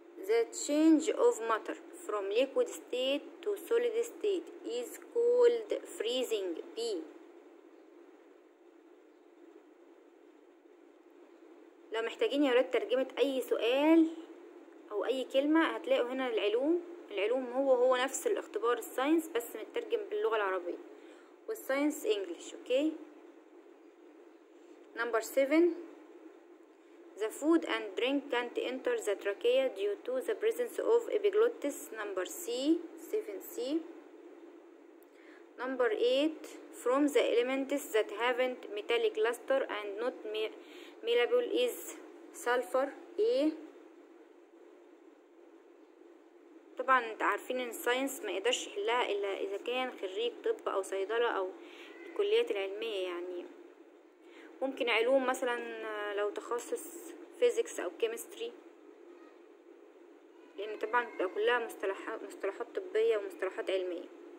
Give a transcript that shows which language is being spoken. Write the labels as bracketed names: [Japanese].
[English] The change of matter from liquid state to solid state is called freezing B. [Arabic] لو محتاجين يا ولاد ترجمة أي سؤال او اي كلمة هتلاقوا هنا العلوم هو نفس الاختبار الساينس بس مترجم باللغة العربية والساينس انجليش. [English] Okay number 7 the food and drink can't enter the trachea due to the presence of epiglottis number C 7C number 8 from the elements that haven't metallic luster and not malleable is sulfur A. [Arabic] طبعا انت عارفين ان الساينس ما يقدرش يحلها الا اذا كان خريج طب او صيدلة او الكليات العلمية، يعني ممكن علوم مثلا لو تخصص فيزيكس او كيمستري لان طبعا تبقى كلها مصطلحات طبية ومصطلحات علمية.